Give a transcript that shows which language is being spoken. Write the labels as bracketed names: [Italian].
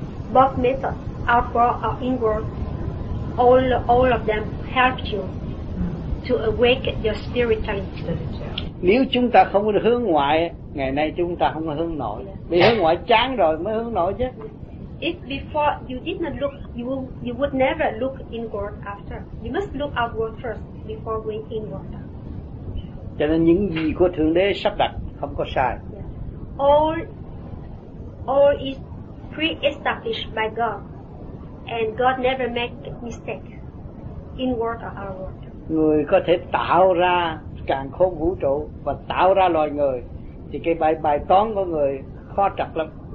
[English] Both methods, outward or inward, all of them help you to awake your spirituality. [Vietnamese] Nếu chúng ta không có hướng ngoại, ngày nay chúng ta không có hướng nội. Vì hướng ngoại chán rồi mới hướng nội chứ. [English] If before you did not look, you would never look inward after. You must look outward first before going inward. [Vietnamese] Cho nên những gì của Thượng Đế sắp đặt không có sai. [English] Yeah. All is pre-established by God, and God never make mistake inward or outward. [Vietnamese] Người có thể tạo ra càng khôn vũ trụ và tạo ra loài người, thì cái bài toán của người khó trật lắm.